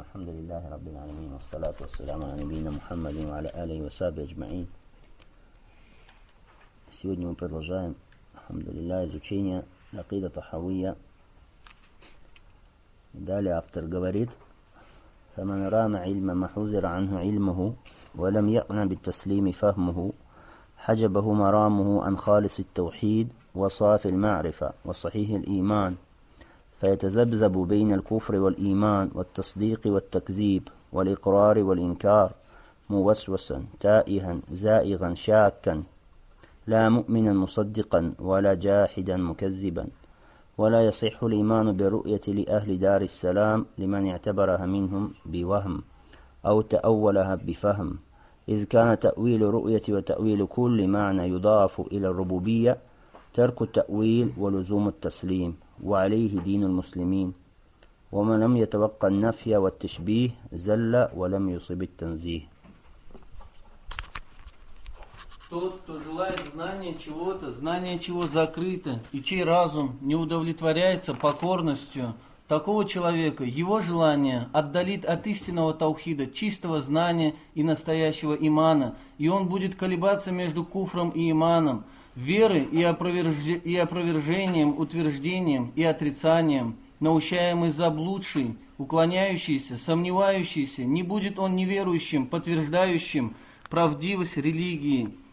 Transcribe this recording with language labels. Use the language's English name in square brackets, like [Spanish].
[Arabic] الحمد لله رب العالمين، والصلاة والسلام على نبينا محمد وعلى آله وصحبه أجمعين. [Russian] Сегодня мы продолжаем, [Arabic] الحمد لله, [Russian] изучение العقيدة الطحاوية. Далее автор говорит: [Arabic] فمن رام علما ما حذر عنه علمه ولم يقنع بالتسليم فهمه حجبه مرامه عن خالص التوحيد وصافي المعرفة وصحيح الإيمان فيتذبذب بين الكفر والإيمان والتصديق والتكذيب والإقرار والإنكار موسوسا تائها زائغا شاكا لا مؤمنا مصدقا ولا جاحدا مكذبا ولا يصح الإيمان برؤية لأهل دار السلام لمن اعتبرها منهم بوهم أو تأولها بفهم إذ كان تأويل رؤية وتأويل كل معنى يضاف إلى الربوبية ترك التأويل ولزوم التسليم وعليه دين المسلمين ومن لم يتوقع النفي والتشبيه زل ولم يصب التنزيه. [Russian] Тот, кто желает знания чего-то, знание чего закрыто, и чей разум не удовлетворяется покорностью такого человека, его желание отдалит от истинного таухида, чистого знания и настоящего имана, и он будет колебаться между куфром и иманом, веры и опровержением, утверждением и отрицанием, научаемый заблудший, уклоняющийся, сомневающийся, не будет он неверующим, подтверждающим правдивость религии,